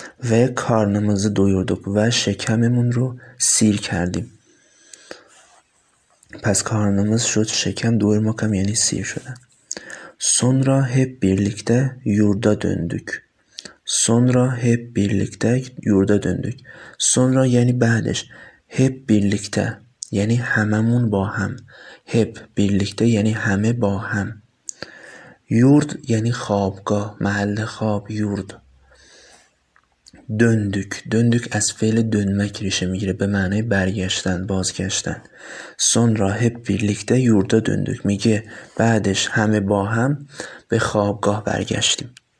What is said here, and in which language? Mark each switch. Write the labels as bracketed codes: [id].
[fa] و [tr] کارنمزه دویوردوک [fa] و شکممون رو سیر کردیم. پس کارنمز شد شکم، دویورماک هم یعنی سیر شدن. [tr] سونرا هپ بیرلیکته یوردا دوندوک، sonra hep birlikte yurda döndük. Sonra yani [fa] بعدش، [tr] hep birlikte yani [fa] hememun با هم، [tr] hep birlikte yani [fa] همه با هم. yurd yani خوابگاه، محل خواب، yurd. döndük، döndük از فعل dönmek ریشه میگیره، به معنی برگشتن، بازگشتن. [tr] sonra hep birlikte yurda döndük، [fa] میگه بعدش همه با هم به خوابگاه برگشتیم.